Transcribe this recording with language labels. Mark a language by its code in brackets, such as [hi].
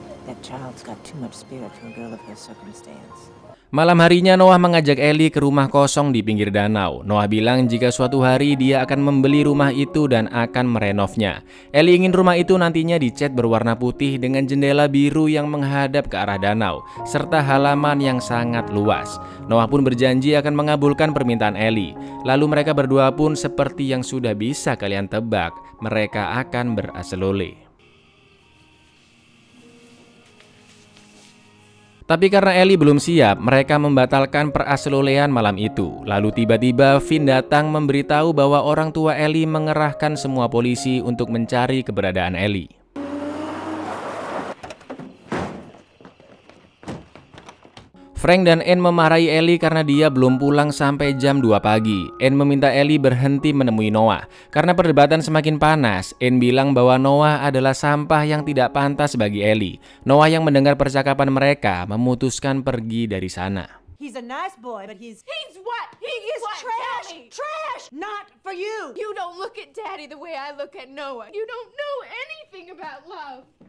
[id] That child's got too much spirit for a girl of her circumstance. Malam harinya Noah mengajak Ellie ke rumah kosong di pinggir danau. Noah bilang jika suatu hari dia akan membeli rumah itu dan akan merenovnya. Ellie ingin rumah itu nantinya dicat berwarna putih dengan jendela biru yang menghadap ke arah danau, serta halaman yang sangat luas. Noah pun berjanji akan mengabulkan permintaan Ellie. Lalu mereka berdua pun seperti yang sudah bisa kalian tebak, mereka akan berasloli. Tapi karena Ellie belum siap, mereka membatalkan perasloleyan malam itu. Lalu tiba-tiba Finn datang memberitahu bahwa orang tua Ellie mengerahkan semua polisi untuk mencari keberadaan Ellie. Frank dan Anne memarahi Ellie karena dia belum pulang sampai jam 2 pagi. Anne meminta Ellie berhenti menemui Noah. Karena perdebatan semakin panas, Anne bilang bahwa Noah adalah sampah yang tidak pantas bagi Ellie. Noah yang mendengar percakapan mereka memutuskan pergi dari sana. [en] He's a nice boy, but he's what? He is what? Trash. Trash. Not for you. You don't look at daddy the way I look at Noah. You don't know anything about love.